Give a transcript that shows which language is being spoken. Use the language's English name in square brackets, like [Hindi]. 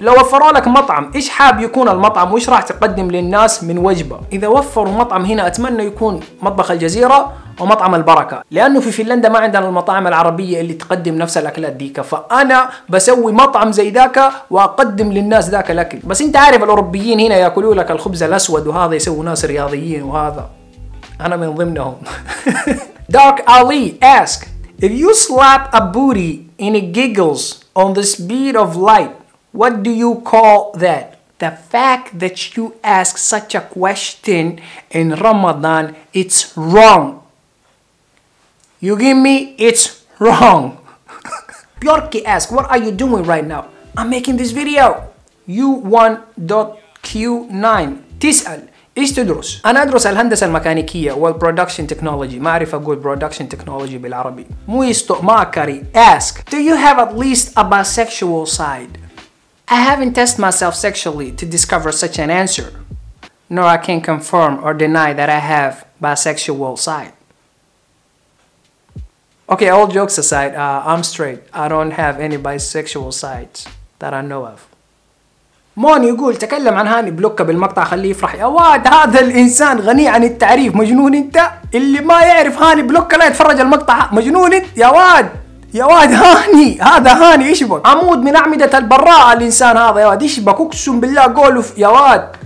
[Arabic] لو وفروا لك مطعم إيش حاب يكون المطعم وإيش راح تقدم للناس من وجبة؟ إذا وفروا مطعم هنا أتمنى يكون مطبخ الجزيرة ومطعم البركة، لأنه في فنلندا ما عندنا المطاعم العربية اللي تقدم نفس الأكلات ديكا، فأنا بسوي مطعم زي ذاك وأقدم للناس ذاك الأكل. بس أنت عارف الأوروبيين هنا يأكلوا لك الخبز الأسود وهذا، يسووا ناس رياضيين وهذا، أنا من ضمنهم. [English] دارك علي ask if you slap a booty and it giggles on the speed of light what do you call that? The fact that you ask such a question in Ramadan it's wrong. You give me, it's wrong. Bjorki asks, what are you doing right now? I'm making this video. [Arabic] U1.Q9 تسأل إيش تدرس؟ أنا أدرس الهندسة الميكانيكية والبرودكشن تكنولوجي، ما أعرف أقول برودكشن تكنولوجي بالعربي. [English] مويستو ماكري ask, do you have at least a bisexual side? I haven't tested myself sexually to discover such an answer. Nor I can confirm or deny that I have bisexual side. Okay, all jokes aside, I'm straight. I don't have any bisexual sides that I know of. [Arabic] مون يقول تكلم عن هاني بلوكا بالمقطع خليه يفرح. يا واد هذا الإنسان غني عن التعريف، مجنون أنت. اللي ما يعرف هاني بلوكا لا يتفرج المقطع، مجنون أنت يا واد. يا واد هاني، هذا هاني إيش بك؟ عمود من أعمدة البراءة الإنسان هذا يا واد، إيش بك؟ أقسم بالله قوله يا واد.